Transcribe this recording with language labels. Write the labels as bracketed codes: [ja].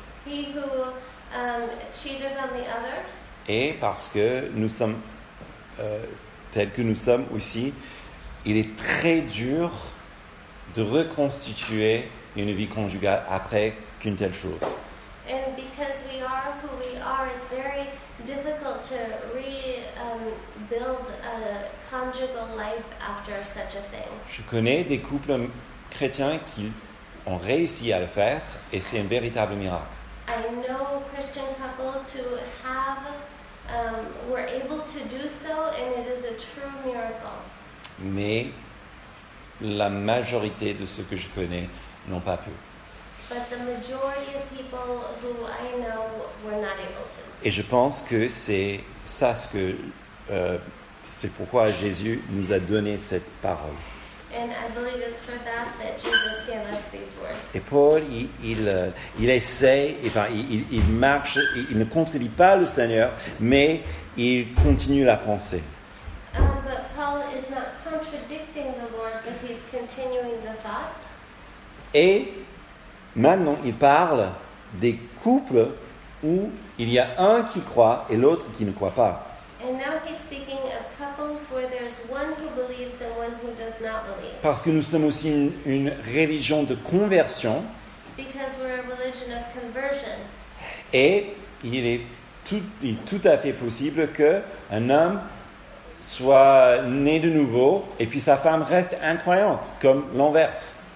[en] he who cheated on the other, [fr] et parce que nous sommes tels que nous sommes aussi, il est très dur de reconstituer une vie conjugale après qu'une telle chose. [en] And because we are who we are, it's very difficult to rebuild a conjugal life after such a thing. [fr] Je connais des couples chrétiens qui ont réussi à le faire et c'est un véritable miracle. [en] I know Christian couples who have were able to do so and it is a true miracle. [fr] Mais la majorité de ceux que je connais n'ont pas pu. [en] But the majority of people who I know were not able to. [fr] Et je pense que c'est ça ce que c'est pourquoi Jésus nous a donné cette parole. [en] And I believe it's for that that Jesus gave us these words. [fr] Et Paul, il essaie, enfin, il marche, il ne contredit pas le Seigneur, mais il continue la pensée. [en] But Paul is not contradicting the Lord, but he's continuing the thought. [fr] Et maintenant, il parle des couples où il y a un qui croit et l'autre qui ne croit pas. [en] And now he's speaking of couples where there's one who believes and one who does not believe. [fr] Parce que nous sommes aussi une religion de conversion. [en] Because we're a religion of conversion. [fr] Et il est tout à fait possible qu'un homme soit né de nouveau et puis sa femme reste incroyante, comme l'inverse.